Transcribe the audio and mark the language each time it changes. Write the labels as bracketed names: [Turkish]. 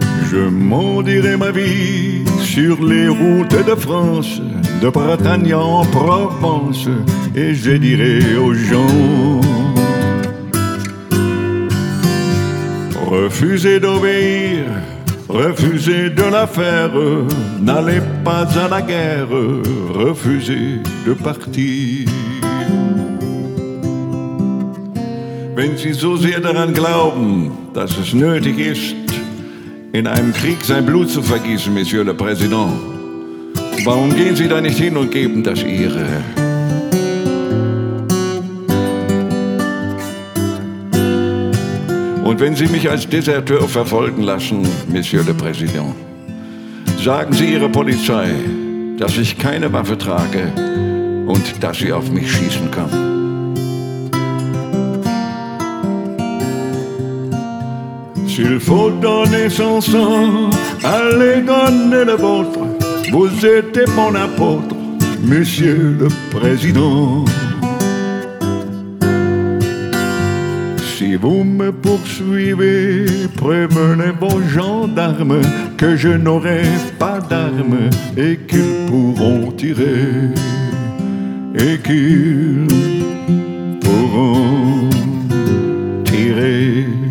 [French] Je mendierai ma vie sur les routes de France, de Bretagne en Provence, et je dirai aux gens: refusez d'obéir, refusez de la faire, n'allez pas à la guerre, refusez de partir. [German] Wenn Sie so sehr daran glauben, dass es nötig ist, in einem Krieg sein Blut zu vergießen, Monsieur le Président, warum gehen Sie da nicht hin und geben das Ihre? Und wenn Sie mich als Deserteur verfolgen lassen, Monsieur le Président, sagen Sie Ihrer Polizei, dass ich keine Waffe trage und dass sie auf mich schießen kann. [French] S'il faut donner son sang, allez donner le vôtre. Vous êtes mon apôtre, Monsieur le Président. si vous me poursuivez, prévenez vos gendarmes que je n'aurai pas d'armes et qu'ils pourront tirer, et qu'ils pourront tirer.